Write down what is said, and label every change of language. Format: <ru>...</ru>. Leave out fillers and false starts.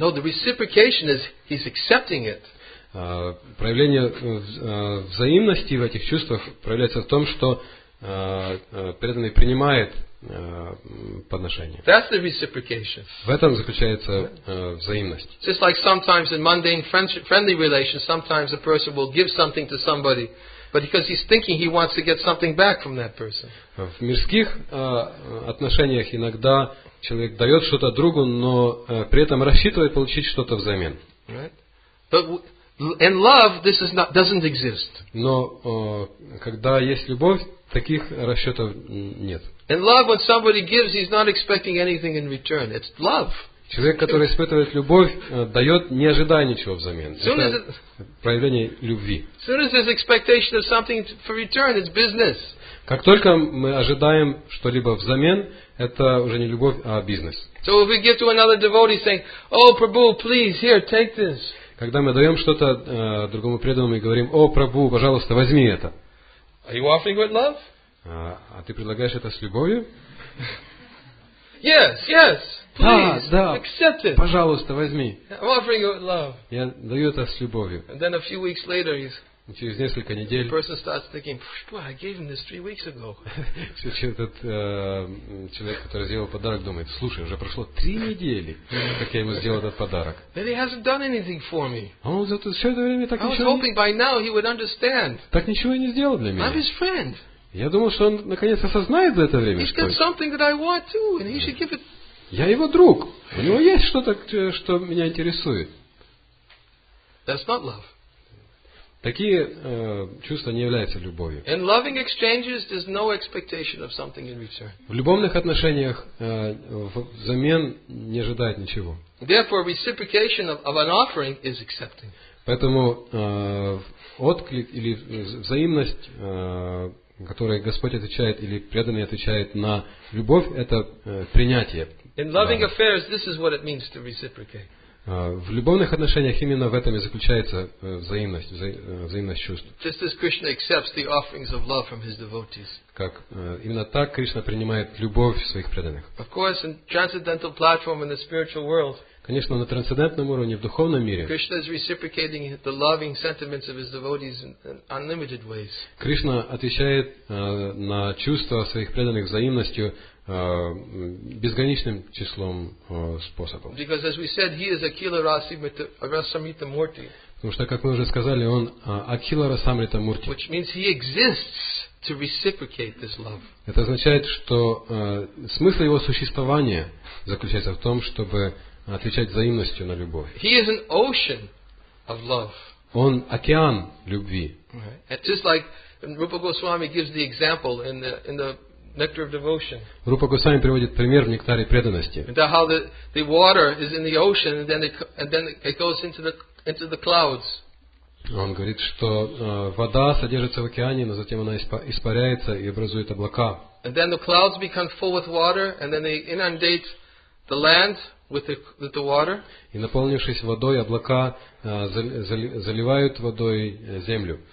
<en>No, the reciprocation is he's accepting it.</en> <ru>Проявление взаимности в этих чувствах проявляется в том, что преданный принимает подношение.</ru> <en>That's the reciprocation.</en> <ru>В этом заключается взаимность.</ru> <en>Just like sometimes in mundane friendly relations, sometimes a person will give something to somebody, but because he's thinking he wants to get something back from that person.</en> <ru>В мирских отношениях иногда человек дает что-то другу, но при этом рассчитывает получить что-то взамен.</ru> <en>Right? But in love, this is not doesn't exist.</en> <ru>Но когда есть любовь, таких расчетов нет.</ru> <en>In love, when somebody gives, he's not expecting anything in return. It's love.</en> <ru>Человек, который испытывает любовь, дает, не ожидая ничего взамен. Это проявление любви.</ru> <en>As soon as there's expectation of something for return, it's business.</en> <ru>Как только мы ожидаем что-либо взамен, это уже не любовь, а бизнес.</ru> <en>So if we give to another devotee, saying, "Oh, Prabhu, please, here, take this."</en> <ru>Когда мы даем что-то другому преданному и говорим, "О, Прабху, пожалуйста, возьми это."</ru> <en>Are you offering with love?</en> <ru>А ты предлагаешь это с любовью?</ru> <en>Yes, yes. Please,</en> <ru>да,</ru> <en>accept it.</en> <ru>Пожалуйста, возьми.</ru> <en>I'm offering you with love.</en> <ru>Я даю это с любовью.</ru> <en>And then a few weeks later, he's.</en> <ru>Через несколько недель.</ru> <en>The person starts thinking, "Boy, I gave him this 3 weeks ago."</en> <ru>Этот человек, который сделал подарок, думает: "Слушай, уже прошло 3 недели, как я ему сделал этот подарок."</ru> <en>Then he hasn't done anything for me.</en> <ru>Он за все это время так ничего.</ru> <en>I was hoping by now he would understand.</en> <ru>Так ничего и не сделал для меня.</ru> <en>I'm his friend.</en> <ru>Я думал, что он наконец осознает за это время.</ru> <en>He's got something that I want too, and he should give it.</en> <ru>Я его друг. У него есть что-то, что меня интересует.</ru> <en>That's not love.</en> <ru>Такие чувства не являются любовью.</ru> <en>In loving exchanges, there's no expectation of something in return.</en> <ru>В любовных отношениях взамен не ожидает ничего.</ru> <en>Therefore, reciprocation of an offering is accepting.</en> <ru>Поэтому отклик или взаимность, которой Господь отвечает или преданный отвечает на любовь, это принятие.</ru> <en>In loving affairs, this is what it means to reciprocate.</en> <ru>В любовных отношениях именно в этом и заключается взаимность, взаимность чувств.</ru> <en>Just as Krishna accepts the offerings of love from his devotees.</en> <ru>Как именно так Кришна принимает любовь своих преданных.</ru> <en>Of course, in transcendental platform in the spiritual world.</en> <ru>Конечно, на трансцендентном уровне, в духовном мире.</ru> <en>Krishna is reciprocating the loving sentiments of his devotees in unlimited ways.</en> <ru>Кришна отвечает на чувства своих преданных взаимностью безграничным числом способов.</ru> <en>Because as we said, he is Akhila Rasamrita Murti.</en> <ru>Потому что, как мы уже сказали, он Akhila Rasamrita Murti.</ru> <en>Which means he exists to reciprocate this love.</en> <ru>Это означает, что смысл его существования заключается в том, чтобы отвечать взаимностью на любовь.</ru> <en>He is an ocean of love.</en> <ru>Он океан любви.</ru> <en>Right. Just like Rupa Goswami gives the example in the Nectar of Devotion.</en> <ru>Рупа Госвами приводит пример в нектаре преданности.</ru> <en>How the water is in the ocean and then it goes into the clouds.</en> <ru>Он говорит, что вода содержится в океане, но затем она испаряется и образует облака.</ru> <en>And then the clouds become full with water and then they inundate the land with the water.</en> <ru>И наполнившись водой, облака заливают водой землю.</ru>